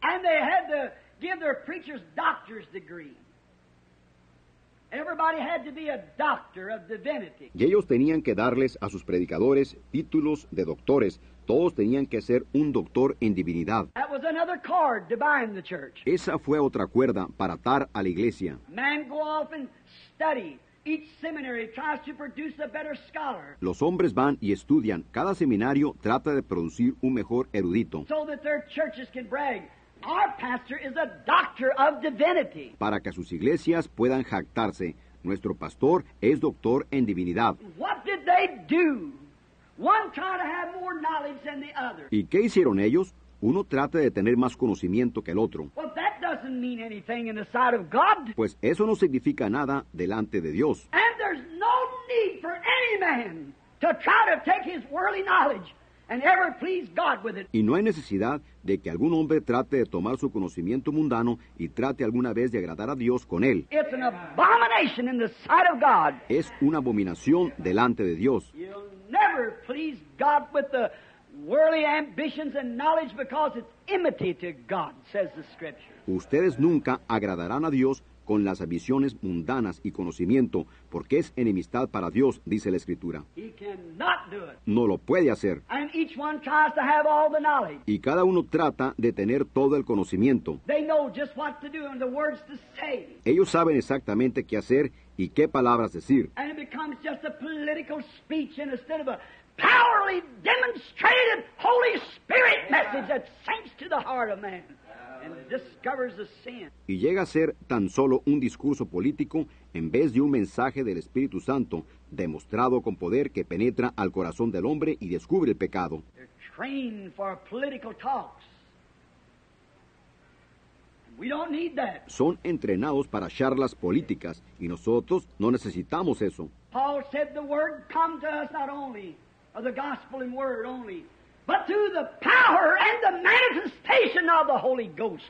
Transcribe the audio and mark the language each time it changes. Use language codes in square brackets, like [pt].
[en] And they had to give their preachers doctor's degree. Everybody had to be a doctor of divinity. [es] Y ellos tenían que darles a sus predicadores títulos de doctores. Todos tenían que ser un doctor en divinidad. [en] That was another cord to bind the church. [es] Esa fue otra cuerda para atar a la iglesia. [en] Man go off and study. Each seminary tries to produce a better scholar. [es] Los hombres van y estudian. Cada seminario trata de producir un mejor erudito. [en] So that their churches can brag. Our pastor is a doctor of divinity. [es] Para que sus iglesias puedan jactarse, nuestro pastor es doctor en divinidad. [en] What did they do? One tried to have more knowledge than the other. [es] ¿Y qué hicieron ellos? Uno trata de tener más conocimiento que el otro. [en] Well, that doesn't mean anything in the sight of God. [es] Pues eso no significa nada delante de Dios. [en] And there's no need for any man to try to take his worldly knowledge and ever please God with it. [es] Y no hay necesidad de que algún hombre trate de tomar su conocimiento mundano y trate alguna vez de agradar a Dios con él. [en] It's an abomination in the sight of God. [es] Es una abominación delante de Dios. [en] You'll never please God with the worldly ambitions and knowledge because it's enmity to God, says the scripture. [es] Ustedes nunca agradarán a Dios con las ambiciones mundanas y conocimiento, porque es enemistad para Dios, dice la Escritura. [en] He cannot do it. [es] No lo puede hacer. [en] And each one tries to have all the knowledge. [es] Y cada uno trata de tener todo el conocimiento. [en] They know just what to do and the words to say. [es] Ellos saben exactamente qué hacer y qué palabras decir. [en] And it becomes just a political speech instead of a powerfully demonstrated Holy Spirit message that sinks to the heart of man. And discovers the sin. [es] Y llega a ser tan solo un discurso político en vez de un mensaje del Espíritu Santo demostrado con poder que penetra al corazón del hombre y descubre el pecado. [en] They're trained for political talks. We don't need that. [es] Son entrenados para charlas políticas y nosotros no necesitamos eso. [en] Paul said the word come to us not only of the gospel in word only, but through the power and the manifestation of the Holy Ghost.